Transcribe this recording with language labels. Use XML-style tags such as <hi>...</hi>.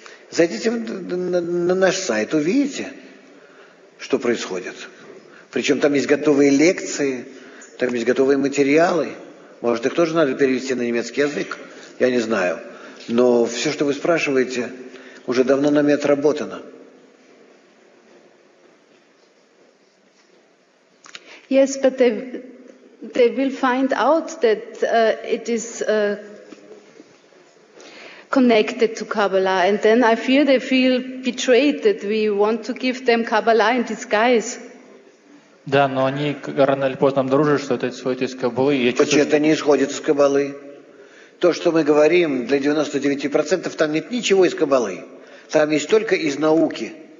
<ru>Зайдите на наш сайт, увидите, что происходит. Причем там есть готовые лекции, там есть готовые материалы. Может, их тоже надо перевести на немецкий язык? Я не знаю. Но все, что вы спрашиваете, уже давно нами отработано.</ru> <en>Yes, but they will find out that it is connected to Kabbalah. And then I fear they feel betrayed that we want to give them Kabbalah in disguise.</en> <ru>Да, но они рано или поздно обнаружили, что это исходит из Кабалы. Почему чувствую, это не исходит из Кабалы? То, что мы говорим для 99%, там нет ничего из Кабалы. Там есть только из науки.</ru>